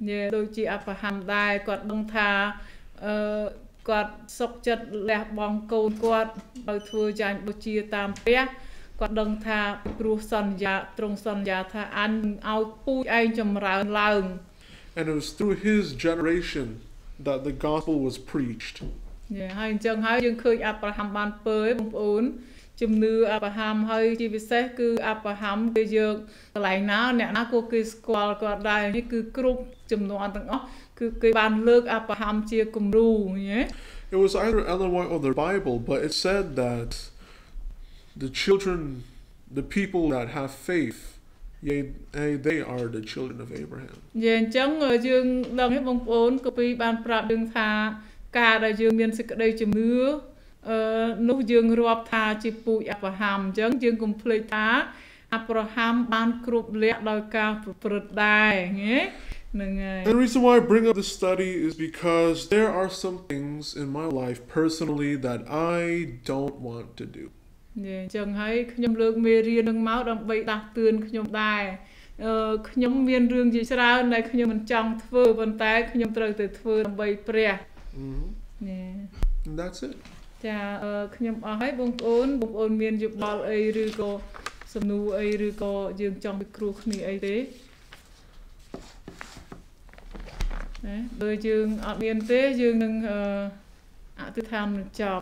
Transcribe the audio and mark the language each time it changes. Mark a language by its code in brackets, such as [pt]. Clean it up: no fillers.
[km] យើងដូចជាអាប់រ៉ាហាំដែរគាត់ដឹងថាគាត់សុខចិត្តលះបង់កូនគាត់ទៅធ្វើចាញ់បុជាតាមព្រះគាត់ដឹងថាព្រោះសន្យាត្រង់សន្យាថាអញឲ្យពូជឯងចម្រើនឡើង [en] And it was through his generation that the gospel was preached [km] យ៉ាហើយអញ្ចឹងហើយយើងឃើញអាប់រ៉ាហាំបានពើឯងបងប្អូនជំនឿអាប់រ៉ាហាំហើយជាពិសេសគឺអាប់រ៉ាហាំគេយកកន្លែងណាអ្នកណាគាត់គេស្គាល់គាត់ដែរនេះគឺគ្រប់ចំនួនទាំងអស់គឺគេបានលើកអាប់រ៉ាហាំជាគំរូហ៎ [en] It was either Ellen White or the Bible but it said that the children the people that have faith they are the children of Abraham [km] យ៉ាអញ្ចឹងយើងដឹងហ៎បងប្អូនគម្ពីរបានប្រាប់យើងថាការដែលយើងមានសេចក្តីជំនឿនោះយើងរាប់ថាជាពូជអាប់រ៉ាហាំអញ្ចឹងយើងកុំភ្លេចថាអាប់រ៉ាហាំបានគ្រប់លក្ខដោយការប្រព្រឹត្តដែរហ្នឹងហើយ [en] The reason why I bring up this study is because there are some things in my life personally that I don't want to do [km] អញ្ចឹងហើយខ្ញុំលើកមេរៀននឹងមកដើម្បីដាស់តឿនខ្ញុំដែរខ្ញុំមានរឿងជាច្រើនដែលខ្ញុំមិនចង់ធ្វើប៉ុន្តែខ្ញុំត្រូវតែធ្វើដើម្បីព្រះ នេ [en] And that's it [km] ចាខ្ញុំអស់ហើយបងប្អូនមានយោបល់អីឬក៏សំណួរអីឬក៏យើងចង់ពិគ្រោះគ្នាអីទេណាដោយយើងអត់មានទេយើងនឹងអធិដ្ឋាននឹងចប